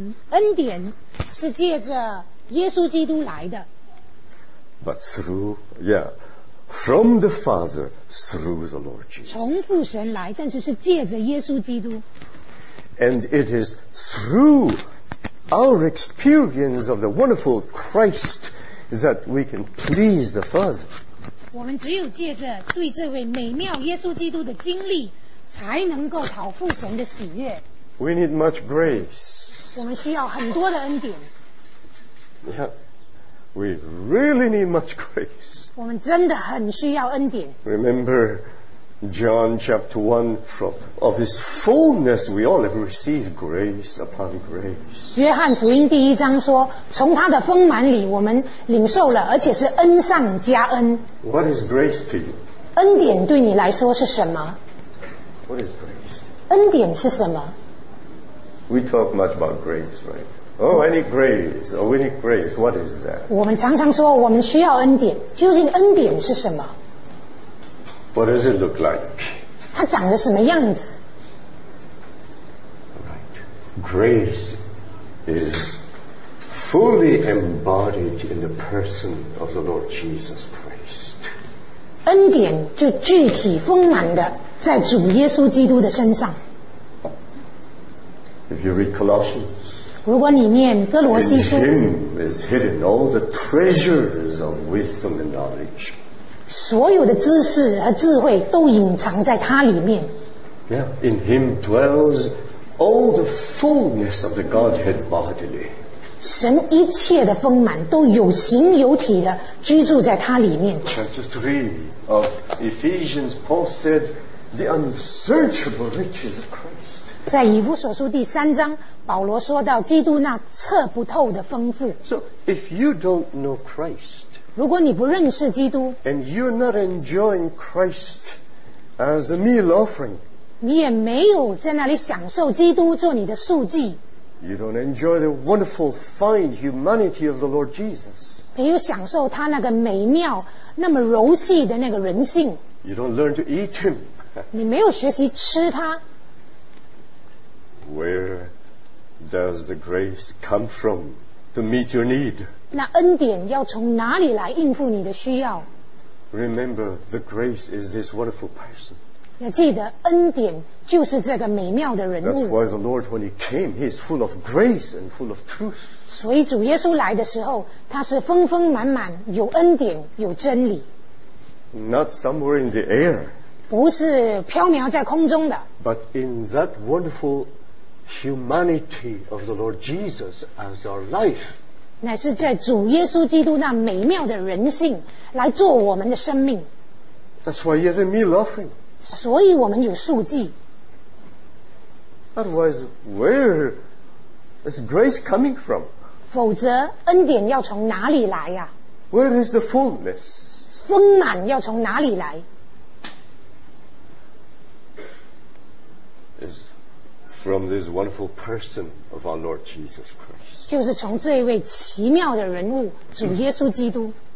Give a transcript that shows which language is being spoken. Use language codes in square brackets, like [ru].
[zh] 恩典是借着耶稣基督来的。 [en] But through, yeah. From the Father through the Lord Jesus. [zh] 从父神来，但是是借着耶稣基督。 [en] And it is through our experience of the wonderful Christ that we can please the Father. [zh] 我们只有借着对这位美妙耶稣基督的经历，才能够讨父神的喜悦。 [en] We need much grace. [zh] 我们需要很多的恩典。 [en] Yeah. We really need much grace. [zh] 我们真的很需要恩典。 [en] Remember John chapter 1, from, of his fullness we all have received grace upon grace. [zh] 约翰福音第一章说，从他的丰满里我们领受了，而且是恩上加恩。 [en] What is grace to you? [zh] 恩典对你来说是什么？ [en] What is grace? [zh] 恩典是什么？ [en] We talk much about grace, right? Oh, any grace, or we need grace, what is that? [zh] 我们常常说我们需要恩典，究竟恩典是什么？ [en] What does it look like? [zh] 它长得什么样子？ [en] Right. Grace is fully embodied in the person of the Lord Jesus Christ. [zh] 恩典就具体丰满的在主耶稣基督的身上。 [en] If you read Colossians, [zh] 如果你念哥罗西书 [en] In him is hidden all the treasures of wisdom and knowledge. [zh] 所有的知识和智慧都隐藏在他里面。 [en] Yeah, in him dwells all the fullness of the Godhead bodily. [zh] 神一切的丰满都有形有体的居住在他里面。 [en] Chapter 3 of Ephesians, Paul said, the unsearchable riches of Christ. [zh] 在以弗所书第三章，保罗说到基督那测不透的丰富。 [en] So if you don't know Christ, [zh] 如果你不认识基督 [en] ，and you're not enjoying Christ as the meal offering, [zh] 你也没有在那里享受基督做你的素祭。 [en] You don't enjoy the wonderful fine humanity of the Lord Jesus, [zh] 没有享受他那个美妙、那么柔细的那个人性。 [en] You don't learn to eat him, [zh] 你没有学习吃他。 [en] Where does the grace come from to meet your need? [zh] 那恩典要从哪里来应付你的需要？ [en] Remember, the grace is this wonderful person. [zh] 要记得，恩典就是这个美妙的人物。 [en] That's why the Lord, when he came, he is full of grace and full of truth. [zh] 所以主耶稣来的时候，他是丰丰满满，有恩典，有真理。 [en] not somewhere in the air, [zh] 不是飘渺在空中的, [en] but in that wonderful humanity of the Lord Jesus as our life, [zh] 乃是在主耶稣基督那美妙的人性来做我们的生命。 [en] That's why he has a meal offering. [zh] 所以我们有素祭。 [en] Otherwise, where is grace coming from? [zh] 否则恩典要从哪里来呀？ [en] Where is the fullness? [zh] 丰满要从哪里来？ [en] Is from this wonderful person of our Lord Jesus Christ. [zh] 就是从这位奇妙的人物主耶稣基督。